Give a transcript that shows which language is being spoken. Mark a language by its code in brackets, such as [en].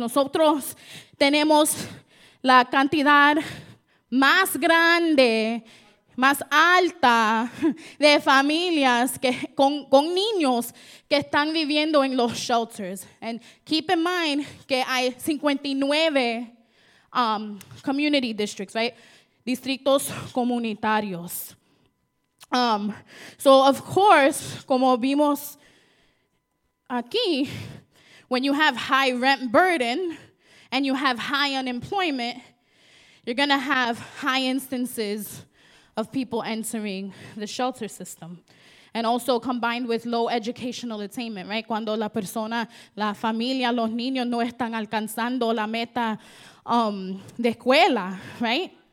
[es] Nosotros tenemos la cantidad más grande, más alta de familias que, con niños que están viviendo en los shelters. [en] And keep in mind [es] que hay [en] 59 community districts, right? [es] Distritos comunitarios. [en] So of course, [es] como vimos aquí, [en] when you have high rent burden and you have high unemployment, you're going to have high instances of people entering the shelter system. And also combined with low educational attainment, right? [es] Cuando la persona, la familia, los niños no están alcanzando la meta de escuela, right?